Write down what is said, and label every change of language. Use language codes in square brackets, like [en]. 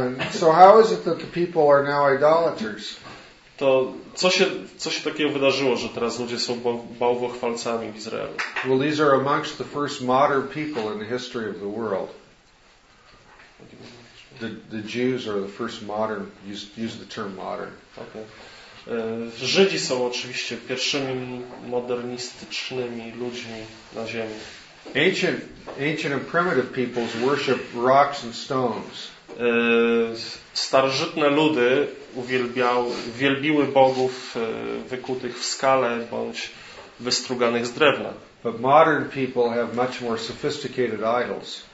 [en] So how is it that the people are now idolaters? [pl] To co się takiego wydarzyło, że teraz ludzie są bałwochwalcami w Izraelu? [en] Well, these are amongst the first modern people in the history of the world. The Jews are the first modern, use the term modern. Okay. [pl] Żydzi są oczywiście pierwszymi modernistycznymi ludźmi na ziemi. [en] Ancient and primitive peoples worship rocks and stones. [pl] Starożytne ludy uwielbiły bogów wykutych w skale bądź wystruganych z drewna. [en] But modern people have much more sophisticated idols.